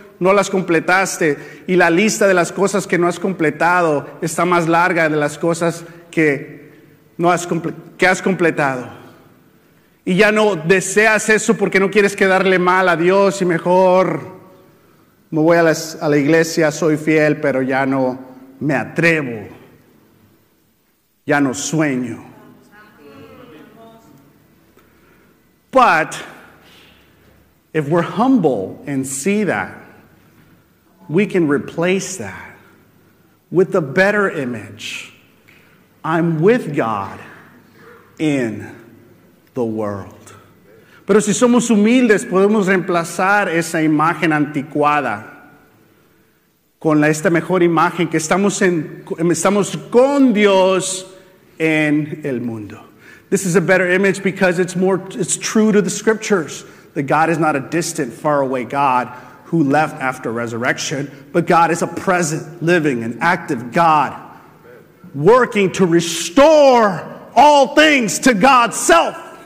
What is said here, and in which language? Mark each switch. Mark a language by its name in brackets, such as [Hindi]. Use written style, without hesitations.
[Spanish] no las completaste, y la lista de las cosas que no has completado está más larga de las cosas que no has completado. Y ya no deseas eso porque no quieres quedarle mal a Dios, y mejor me voy a la iglesia, soy fiel, pero ya no me atrevo, ya no sueño. [English] But if we're humble and see that, we can replace that with a better image. I'm with God in the world. [Spanish] Pero si somos humildes, podemos reemplazar esa imagen anticuada con esta mejor imagen, que estamos con Dios en el mundo. [English] This is a better image because it's true to the scriptures, that God is not a distant, faraway God who left after resurrection, but God is a present, living, and active God working to restore all things to God's self.